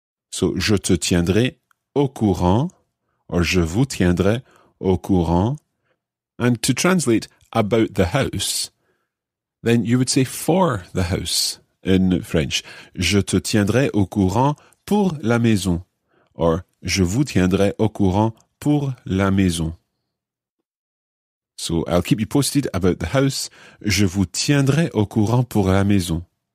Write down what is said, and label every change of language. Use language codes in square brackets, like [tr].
[fr] So, je te tiendrai au courant, or je vous tiendrai au courant. [en] And to translate about the house, then you would say for the house in French. [fr] Je te tiendrai au courant pour la maison, or je vous tiendrai au courant pour la maison. [en] So, I'll keep you posted about the house. [fr] Je vous tiendrai au courant pour la maison.